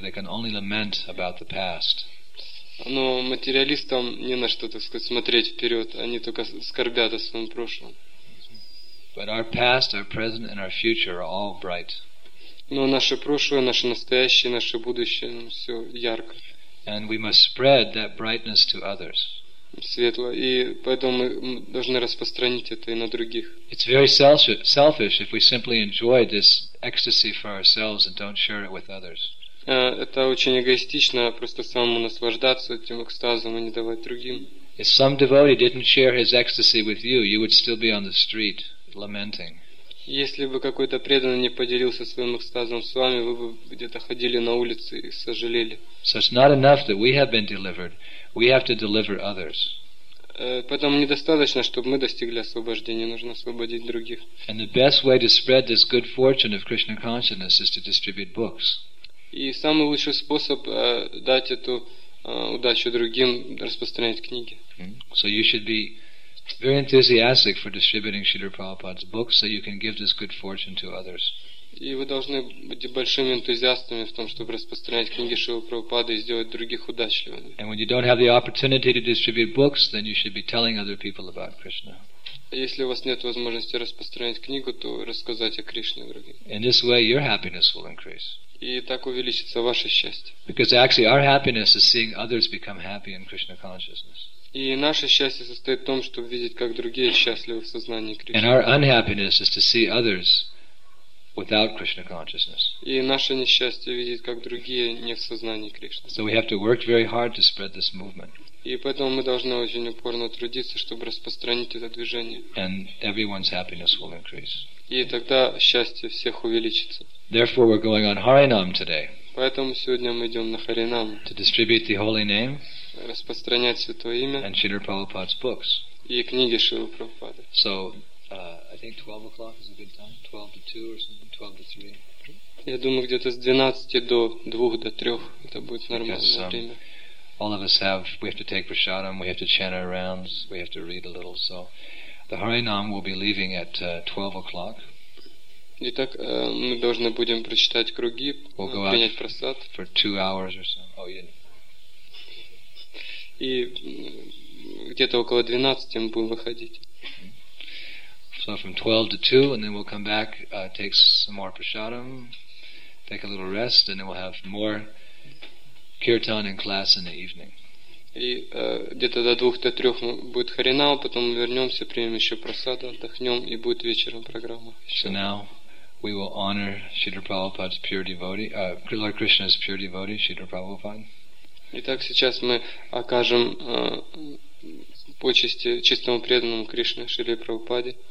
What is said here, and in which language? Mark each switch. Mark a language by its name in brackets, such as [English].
[English] They can only lament about the past. [Russian] Но материалистам не на что, так сказать, смотреть вперед. Они только скорбят о своем прошлом. [English] But our past, our present, and our future are all bright. [Russian] Но наше прошлое, наше настоящее, наше будущее, все ярко. [English] And we must spread that brightness to others. [Russian] Светло. И поэтому мы должны распространить это и на других. [English] It's very selfish if we simply enjoy this ecstasy for ourselves and don't share it with others. [Russian] Это очень эгоистично, просто самому наслаждаться этим экстазом и не давать другим. [English] If some devotee didn't share his ecstasy with you, you would still be on the street lamenting. [Russian] Если бы какой-то преданный не поделился своим экстазом с вами, вы бы где-то ходили на улице и сожалели. [English] So it's not enough that we have been delivered. We have to deliver others. [Russian] Поэтому недостаточно, чтобы мы достигли освобождения, нужно освободить других. [English] And the best way to spread this good fortune of Krishna consciousness is to distribute books. [Russian] И самый лучший способ дать эту удачу другим — распространять книги. [English] So you should be very enthusiastic for distributing Śrīla Prabhupāda's books so you can give this good fortune to others. [Russian] И вы должны быть большими энтузиастами в том, чтобы распространять книги Шрилы Прабхупады и сделать других удачливыми. [English] And when you don't have the opportunity to distribute books, then you should be telling other people about Krishna. [Russian] Если у вас нет возможности распространять книгу, то рассказать о Кришне другим. [English] In this way, your happiness will increase. [Russian] И так увеличится ваше счастье. [English] Because actually our happiness is seeing others become happy in Krishna consciousness. [Russian] И наше счастье состоит в том, чтобы видеть, как другие счастливы в сознании Кришны. [English] And our unhappiness is to see others without Krishna consciousness. [Russian] И наше несчастье видеть, как другие не в сознании Кришны. [English] So we have to work very hard to spread this movement. [Russian] И поэтому мы должны очень упорно трудиться, чтобы распространить это движение. [English] And everyone's happiness will increase. [Russian] И тогда счастье всех увеличится. [English] Therefore, we're going on Harinam today. [Russian] Поэтому сегодня мы идем на Харинам. [English] To distribute the holy name. [Russian] Распространять святое имя. [English] And Śrīla Prabhupāda's books. [Russian] И книги Śrīla Prabhupāda. [English] So, I think 12 o'clock is a good time. 12 to 2 or something. 12 to 3. [Russian] Я думаю, где-то с 12 до 2, до 3 это будет нормальное время. [English] All of us have, we have to take prasadam, we have to chant our rounds, we have to read a little, so the Harinam will be leaving at 12 o'clock. [Russian] Итак, мы должны будем прочитать круги, принять просад. [English] For 2 hours or so. Oh, yeah. [Russian] И где-то около 12 мы будем выходить. [English] So from 12 to 2, and then we'll come back, take some more prasadam, take a little rest, and then we'll have more kirtan in class in the evening. [Russian] И где-то до 2-3 будет харинам, потом мы вернемся, примем еще просад, отдохнем, и будет вечером программа. [English] So now we will honor Śrīla Prabhupāda's pure devotee, Lord Krishna's pure devotee, Śrīla Prabhupāda. [Russian] Итак, сейчас мы окажем почести чистому преданному Кришне Шриле Прабхупаде.